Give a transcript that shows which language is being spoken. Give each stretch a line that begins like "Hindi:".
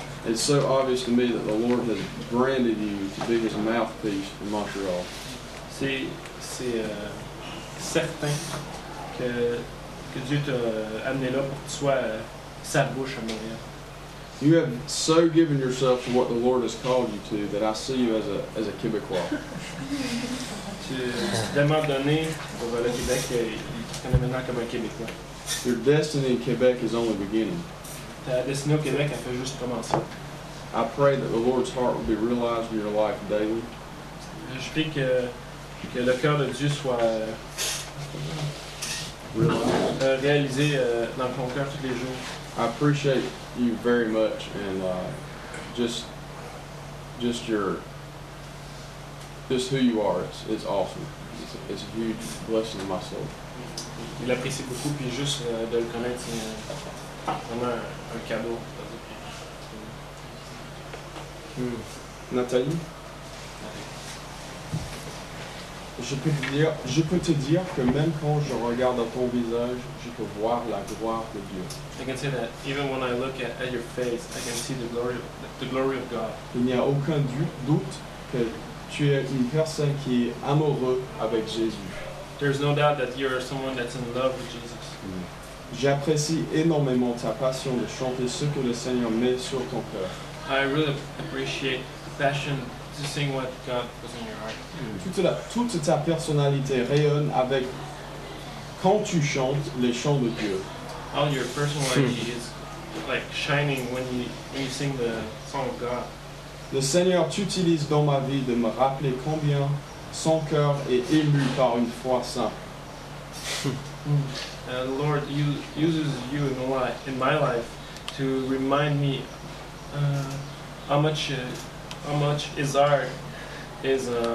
English: It's so obvious to me that the Lord has branded you to be His mouthpiece in Montreal.
French: C'est certain que Dieu t'a amené là pour que tu sois sa bouche à Montréal.
English: You have so given yourself to what the Lord has called you to that I see you as a Québécois.
French: Tu t'es tellement donné pour le Québec qu'il te connaît maintenant comme un Québécois.
English: Your destiny in Quebec is only beginning.
French: Ta destinée au Québec a fait juste commencer.
English: I pray that the Lord's heart will be realized in your life daily.
French: Je prie que le cœur de Dieu soit réalisé dans ton cœur tous les jours.
English: I appreciate you very much and just who you are. It's awesome. It's a huge blessing to my soul.
French: Il apprécie beaucoup, puis juste de le connaître, c'est vraiment un cadeau.
English: Nathalie?
French: Je peux te dire que même quand je regarde dans ton visage, je peux voir la gloire de Dieu.
English: I can say that even when I look at your face, I can see the glory of God.
French: Il n'y a aucun doute que tu es une personne qui est amoureuse avec Jésus.
English: There's no doubt that you're someone that's in love with Jesus.
French: J'apprécie énormément ta passion de chanter ce que le Seigneur met sur ton cœur.
English: I really appreciate the passion to sing what God puts in your heart.
French: Toute ta personnalité rayonne avec quand tu chantes les chants de Dieu.
English: All your personality is like shining when you sing the song of God.
French: Le Seigneur t'utilise dans ma vie de me rappeler combien son cœur est ému par une foi sainte.
English: Lord, you uses you in my life to remind me how much his heart is